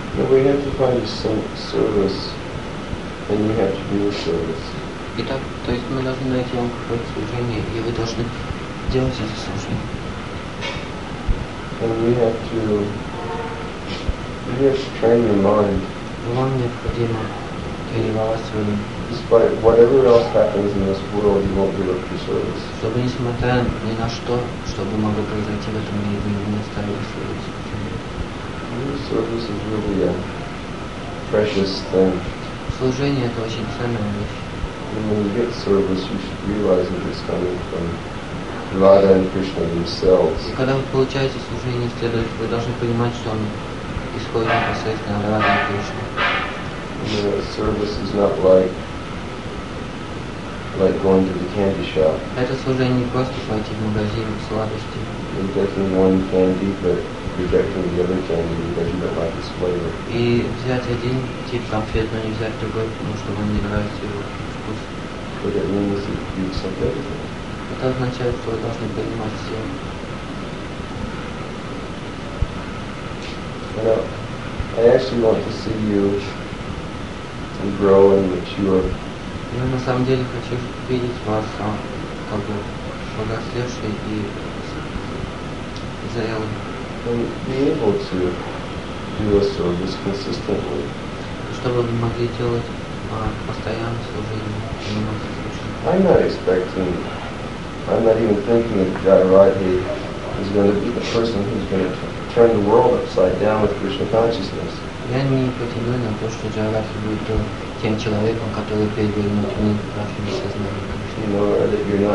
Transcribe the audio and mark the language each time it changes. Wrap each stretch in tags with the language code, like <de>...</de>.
<en>We have to find some service, and you have to do the service.</en> <ru>Итак, то есть мы должны найти вам какое-то служение, и вы должны делать это служение.</ru> <en>And we have to train your mind.</en> <ru>Вам необходимо тренировать свой ум.</ru> <en>Despite whatever else happens in this world, you won't give up your service.</en> <ru>Чтобы несмотря ни на что, чтобы могло произойти в этом мире, вы не оставили свое служение.</ru> <en>Service is really a precious thing.</en> <ru>Служение — это очень ценная вещь.</ru> <en>When you get service, you should realize that it's coming from Radha and Krishna themselves.</en> <ru>И когда вы получаете служение, следует, вы должны понимать, что он исходит непосредственно от Радхи и Кришны.</ru> <en>Service is not like going to the candy shop.</en> <ru>Это служение не просто пойти в магазин сладостей.</ru> <en>You're getting one candy, but rejecting the other candy because you don't like its flavor.</en> <ru>И взять один тип конфет, но не взять другой, потому что вам не нравится его вкус.</ru> <en>But it means that you eat something different.</en> <ru>Это означает, что вы должны понимать все.</ru> <en>I actually want to see you grow and mature.</en> <ru>Я на самом деле хочу видеть вас как бы подрослевшей и зрелой.</ru> <en>And be able to do a service consistently.</en> <ru>Чтобы вы могли делать постоянное служение.</ru> <en>I'm not even thinking that Jai Radhe is going to be the person who's going to turn the world upside down with Krishna consciousness.</en> <ru>Я не претендую на то, что Джай Радхи будет тем человеком, который перевернет мир в нашем сознании.</ru>